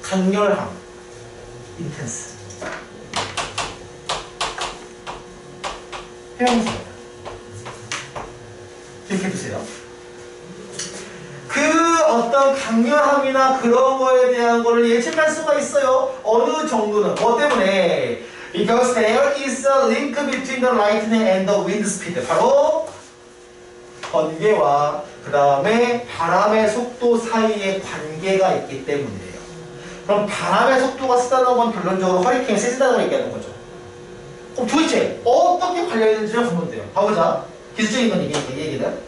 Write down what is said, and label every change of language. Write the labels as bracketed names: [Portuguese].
[Korean] 강렬함. Intense. 이렇게 보세요. 그 어떤 강렬함이나 그런 거에 대한 거를 예측할 수가 있어요. 어느 정도는. 뭐 때문에? [English] Because there is a link between the lightning and the wind speed. [Korean] 바로 번개와 그 다음에 바람의 속도 사이에 관계가 있기 때문이에요. 그럼 바람의 속도가 세다는 건 결론적으로 허리케인이 세진다는 걸 얘기하는 거죠. 그럼 도대체 어떻게 관련되는지를 보면 돼요. 봐보자. 기술적인 건 이게 얘기는.